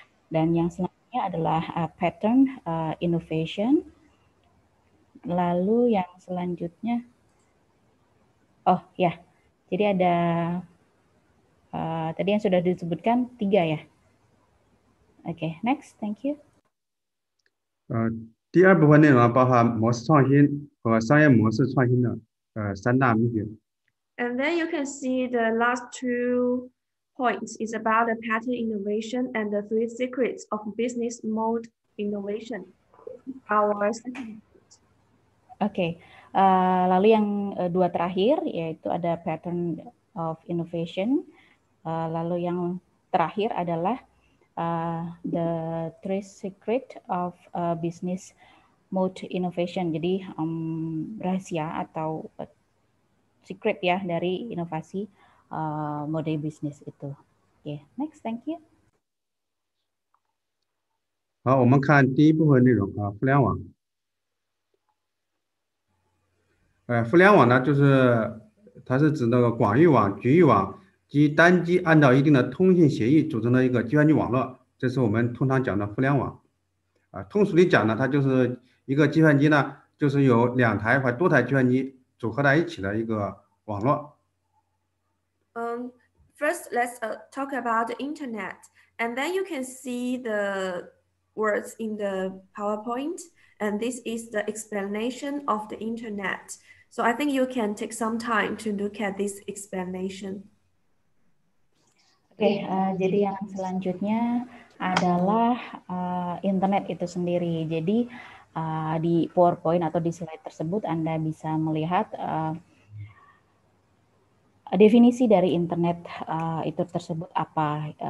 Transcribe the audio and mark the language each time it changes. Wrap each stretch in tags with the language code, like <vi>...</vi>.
<id>Dan yang selanjutnya adalah pattern innovation. Lalu yang selanjutnya, oh ya, yeah. Jadi ada tadi yang sudah disebutkan tiga ya.</id> <en>Oke, okay, next, thank you.</en> <zh>第二部分内容包含模式创新。和商业模式创新的三大秘诀。</zh> <en>And then you can see the last two points is about the pattern innovation and the three secrets of business mode innovation. Our</en> <id>okay, lalu yang dua terakhir yaitu ada pattern of innovation. Lalu yang terakhir adalah</id> <en>the three secret of business.</en> <id>Mode innovation, jadi rahasia atau secret ya dari inovasi mode bisnis itu.</id> <en>Okay, next, thank you.</en> <zh>好，我们看第一部分内容啊，互联网。互联网呢，就是它是指那个广域网、局域网及单机按照一定的通信协议组成的一个计算机网络，这是我们通常讲的互联网。通俗地讲呢，它就是一个计算机呢，就是由两台或多台计算机组合在一起的一个网络。</zh> <en>First, let's talk about the internet, and then you can see the words in the PowerPoint, and this is the explanation of the internet. So I think you can take some time to look at this explanation.</en> <id>Okay, jadi yang selanjutnya adalah internet itu sendiri. Jadi di PowerPoint atau di slide tersebut Anda bisa melihat definisi dari internet itu tersebut apa.</id>